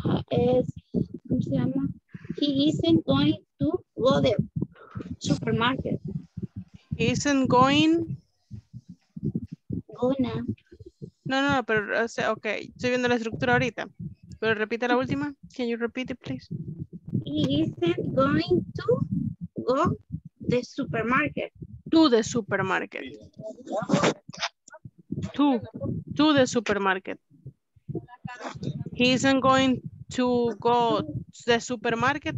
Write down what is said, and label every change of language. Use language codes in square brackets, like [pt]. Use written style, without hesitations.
[en] He isn't going to go to the supermarket. Isn't going. Gonna. [es] No, no, pero, o sea, ok, estoy viendo la estructura ahorita. Pero repite la última. [en] Can you repeat it, please? He isn't going to go to the supermarket. To the supermarket. To the supermarket. He isn't going to go to the supermarket.